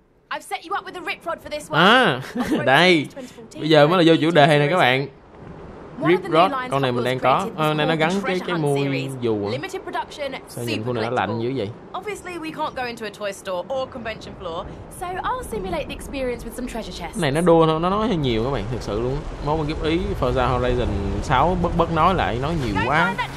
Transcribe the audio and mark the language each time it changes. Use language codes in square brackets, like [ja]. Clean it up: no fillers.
[en] I've set you up with a rip rod for this one. [vi] Đây. Bây giờ mới là vô chủ đề nè các bạn. Rip rod, con này mình đang có. Này nó gắn cái mui dù à. Sao nhìn con này nó lạnh dữ vậy? [en] Obviously we can't go into a toy store or convention floor, so I'll simulate the experience with some treasure chests. [vi] Này nó đua thôi, nó nói nhiều các bạn, thực sự luôn. Mối quan hệ ý Forza Horizon 6 bất nói lại, nói nhiều quá.